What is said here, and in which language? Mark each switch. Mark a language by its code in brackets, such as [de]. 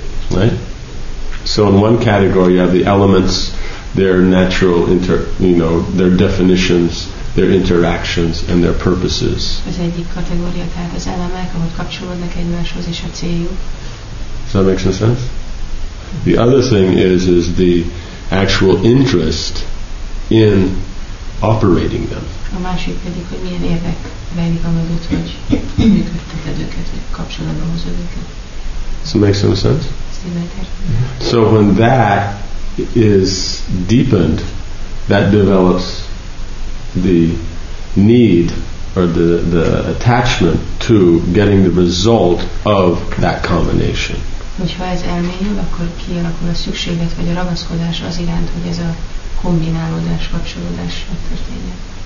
[en] Right? So in one category you have the elements, their natural their definitions, their interactions and their purposes. [hu] Az egyik kategória, tehát az elemek, ahogy kapcsolódnak egymáshoz, és a céljuk. [en] Does that make some sense? The other thing is the actual interest in operating them. [hu] A másik pedig, hogy milyen érdek rejlik amögött, hogy működteted őket, vagy kapcsolatba hozod őket. [en] Does that make some sense? [hu] Ez [en] So when that is deepened, that develops the need or the attachment to getting the result of that combination. [hu] Hogyha ez elmélyül, akkor kialakul a szükséglet vagy a ragaszkodás az iránt, hogy ez a kombinálódás, kapcsolódás megtörténjen.